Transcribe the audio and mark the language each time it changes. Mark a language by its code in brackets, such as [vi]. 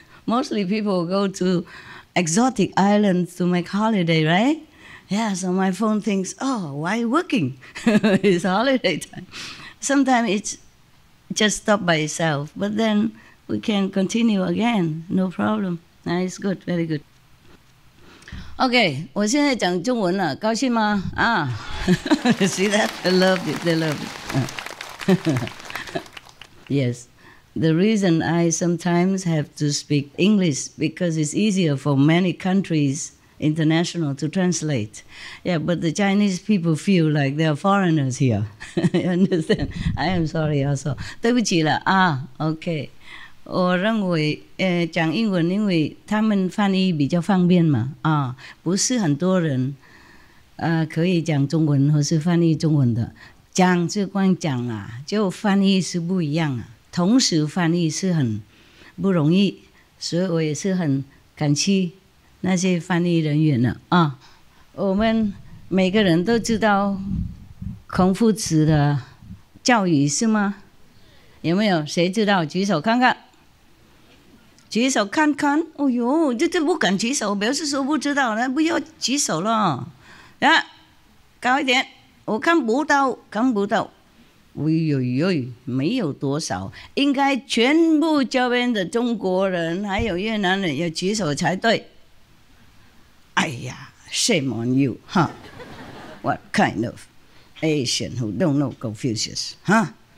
[en] Mostly people go to exotic islands to make holiday, right? Yeah, so my phone thinks, oh, why working? It's holiday time. Sometimes it's just stopped by itself, but then we can continue again, no problem. Now it's good, very good. [zh] OK, 我现在讲中文了, 高兴吗? [en] Ah, see that? They love it. Yes, the reason I sometimes have to speak English because it's easier for many countries international to translate. Yeah, but the Chinese people feel like they're foreigners here. You understand? I am sorry also. [zh] 对不起了, [en] OK. [zh] 我认为讲英文因为他们翻译比较方便嘛，不是很多人可以讲中文或是翻译中文的，讲是光讲啊，就翻译是不一样啊，同时翻译是很不容易，所以我也是很感谢那些翻译人员的啊。我们每个人都知道孔夫子的教育是吗？有没有谁知道举手看看，举手看看，哦哟，这不敢举手，表示说不知道，那不要举手了。啊，高一点，我看不到，看不到。哎呦呦，没有多少，应该全部周边的中国人还有越南人要举手才对。 [en] 哎呀 ，shame on you, huh? What kind of Asian who don't know Confucius, huh?